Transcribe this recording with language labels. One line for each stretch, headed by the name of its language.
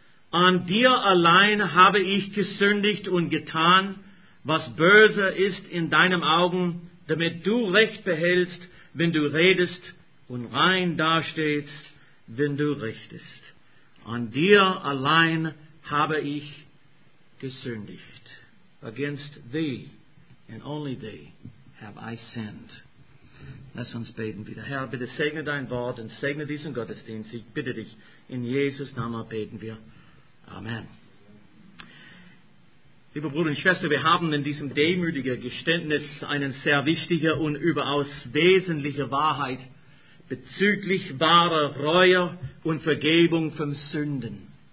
German: An dir allein habe ich gesündigt und getan, was böse ist in deinen Augen, damit du Recht behältst, wenn du redest und rein dastehst, wenn du richtest. An dir allein habe ich gesündigt.
English: Against thee and only thee have I sinned.
German: Lass uns beten wieder. Herr, bitte segne dein Wort und segne diesen Gottesdienst. Ich bitte dich, in Jesus' Namen beten wir. Amen. Liebe Brüder und Schwestern, wir haben in diesem demütigen Geständnis eine sehr wichtige und überaus wesentliche Wahrheit bezüglich wahrer Reue und Vergebung von Sünden.